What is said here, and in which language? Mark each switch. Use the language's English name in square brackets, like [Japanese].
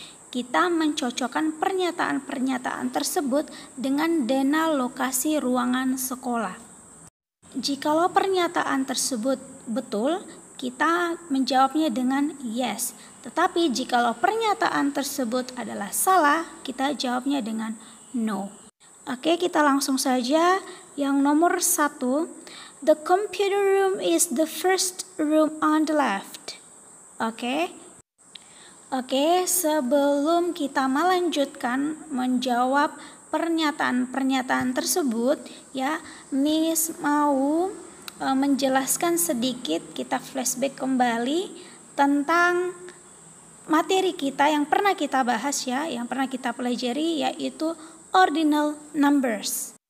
[Indonesian] Kita mencocokkan pernyataan-pernyataan tersebut dengan dena lokasi ruangan sekolah. Jikalau pernyataan tersebut betul, kita menjawabnya dengan yes. Tetapi jikalau pernyataan tersebut adalah salah, kita jawabnya dengan no. Oke, kita langsung saja. [English] Yang nomor satu, the computer room is the first room on the left. Oke. [Indonesian] Oke, sebelum kita melanjutkan menjawab pernyataan-pernyataan tersebut, ya, Miss mau menjelaskan sedikit, kita flashback kembali tentang materi kita yang pernah kita bahas, ya, yang pernah kita pelajari, yaitu ordinal numbers.